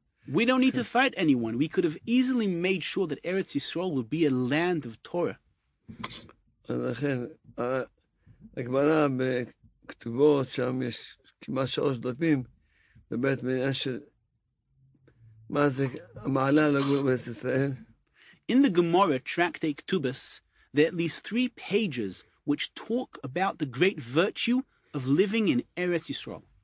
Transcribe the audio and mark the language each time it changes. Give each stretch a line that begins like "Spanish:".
English: We don't need to fight anyone. We could have easily made sure that Eretz Yisrael would be a land of Torah.
Hebrew: ולכן, הגמרא בכתובות, שם יש כמעט 3 דפים, בבית מניעה של מה זה המעלה לגור בארץ ישראל.
English: In the Gemara, Tractate Ketubos, there are at least 3 pages which talk about the great virtue of living in Eretz Yisrael.